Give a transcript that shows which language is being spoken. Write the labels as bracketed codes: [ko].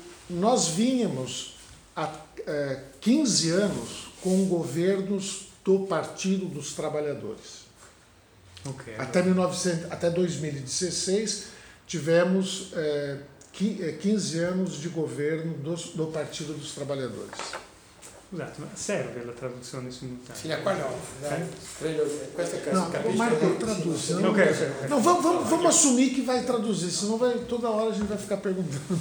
[pt] Nós vínhamos há 15 anos com governos do Partido dos Trabalhadores. Okay, até, então... 2016 tivemos 15 anos de governo do Partido dos Trabalhadores. [it] Scusate, ma serve la traduzione simultanea? Sì, qua no. Questo è caso. No, Marco, traduce. Sì, okay. [pt] Non, vamos assumir che vai traduzir, senão vai, toda hora a gente vai ficar perguntando.